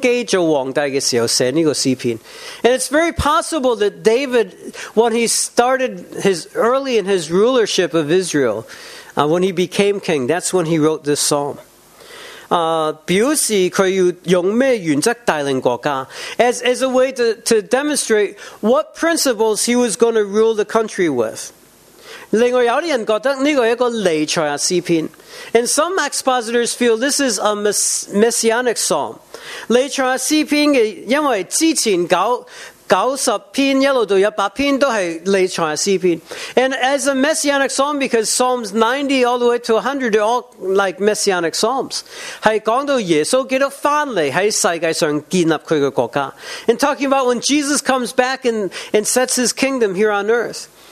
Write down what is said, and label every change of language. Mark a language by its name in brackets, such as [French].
[Chinese] 可能大卫是刚刚开始登基做皇帝的时候写这个诗篇。 [English] And it's very possible that David, when he started his early in his rulership of Israel, when he became king, that's when he wrote this psalm. [Chinese] 表示他要用什么原则带领国家, [English] as a way to demonstrate what principles he was going to rule the country with. [Chinese] 另外有些人觉得这是一个弥赛亚诗篇。 [English] And some expositors feel this is a messianic psalm. [Chinese] 弥赛亚诗篇因为之前九十篇一路到一百篇都是弥赛亚诗篇。 [English] And as a messianic psalm, because Psalms 90 all the way to 100 are all like messianic psalms. [Chinese] 是讲到耶稣基督回来在世界上建立他的国家。 [English] And talking about when Jesus comes back and sets his kingdom here on earth.